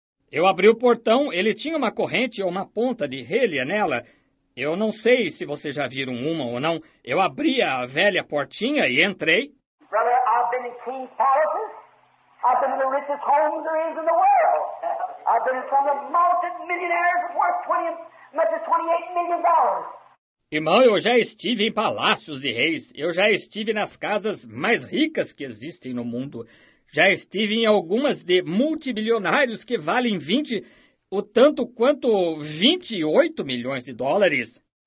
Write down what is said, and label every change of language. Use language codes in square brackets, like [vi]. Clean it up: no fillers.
[pt] Eu abri o portão, ele tinha uma corrente ou uma ponta de relha nela. Eu não sei se vocês já viram uma ou não. Eu abri a velha portinha e entrei. [en] Brother, I've been in King's palaces. I've been in the richest homes there is in the world. I've been in some of the mountain millionaires worth 28 million dollars. [pt] Irmão, eu já estive em palácios de reis. Eu já estive nas casas mais ricas que existem no mundo. Já estive em algumas de multibilionários que valem 20, o tanto quanto 28 milhões de dólares.